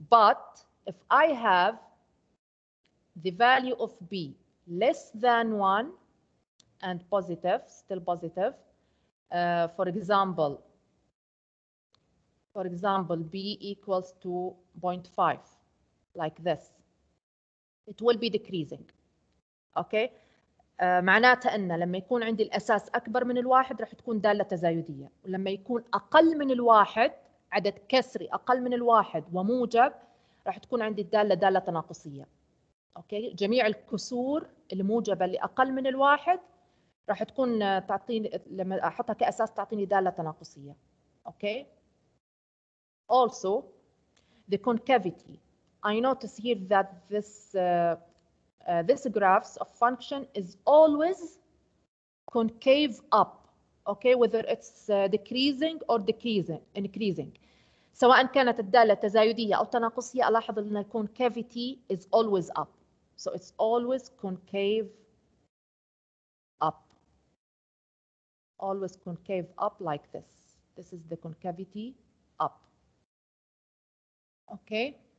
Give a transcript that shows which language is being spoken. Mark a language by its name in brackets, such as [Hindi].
[English] But if I have the value of b less than 1, and positive, still positive. For example, b equals to 0.5, like this. It will be decreasing. Okay. [Arabic] معناته أن لما يكون عندي الأساس أكبر من الواحد راح تكون دالة تزايدية. ولما يكون أقل من الواحد عدد كسري أقل من الواحد وموجب راح تكون عندي دالة تناقصية. [English] Okay. [Arabic] جميع الكسور الموجبة اللي أقل من الواحد راح تكون تعطيني لما احطها كاساس تعطيني داله تناقصيه. [English] Okay. Also the concavity. I notice here that this graphs of function is always concave up. Okay, whether it's decreasing or increasing. [Arabic] سواء كانت الداله تزايديه او تناقصيه الاحظ ان [English] concavity is always up. So it's always concave up. Always concave up like this. This is the concavity up. Okay.